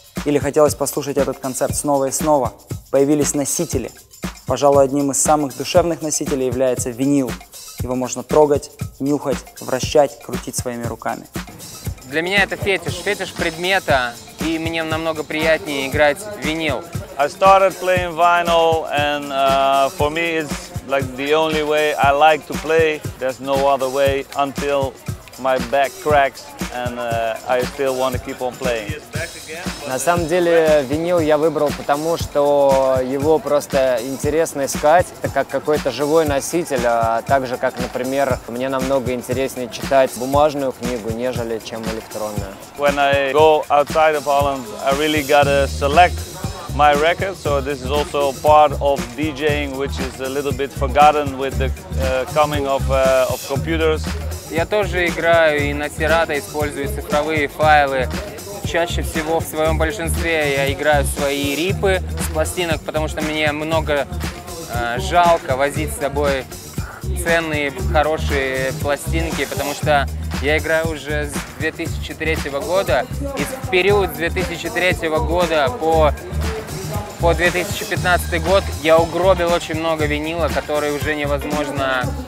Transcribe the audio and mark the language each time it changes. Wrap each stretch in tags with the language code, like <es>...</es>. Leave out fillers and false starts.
<ru>Или хотелось послушать этот концерт снова и снова. Появились носители. Пожалуй, одним из самых душевных носителей является винил. Его можно трогать, нюхать, вращать, крутить своими руками. Для меня это фетиш. Фетиш предмета. И мне намного приятнее играть винил.</ru> <en>I started playing vinyl, and for me it's like the only way I like to play. There's no other way until my back cracks, and I still want to keep on playing.</en> <ru>На самом деле винил я выбрал потому, что его просто интересно искать. Это как какой-то живой носитель, а также как, например, мне намного интереснее читать бумажную книгу, нежели чем электронную.</ru> <en>When I go outside of Holland, I really gotta select my record, so this is also part of DJing, which is a little bit forgotten with the coming of computers.</en> <ru>Я тоже играю и на Serato использую цифровые файлы. Чаще всего в своем большинстве я играю свои рипы с пластинок, потому что мне много жалко возить с собой ценные, хорошие пластинки, потому что я играю уже с 2003 года, и в период с 2003 года по 2015 год я угробил очень много винила, который уже невозможно...</ru>